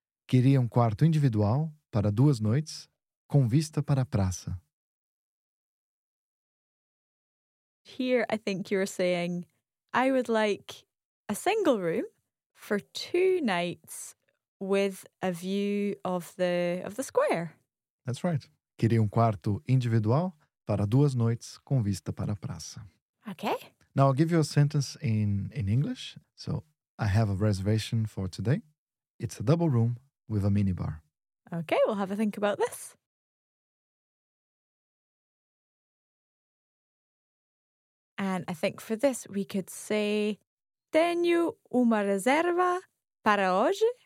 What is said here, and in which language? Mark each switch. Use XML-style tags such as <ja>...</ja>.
<pt>Queria quarto individual para duas noites com vista para a praça.</pt> <en>Here I think you're saying, I would like a single room for two nights with a view of the square. That's right.</en> <pt>Queria quarto individual para duas noites com vista para a praça.</pt> <en>Okay. Now I'll give you a sentence in English. So, I have a reservation for today. It's a double room with a minibar. Okay, we'll have a think about this. And I think for this we could say,</en> <pt>tenho uma reserva para hoje.</pt>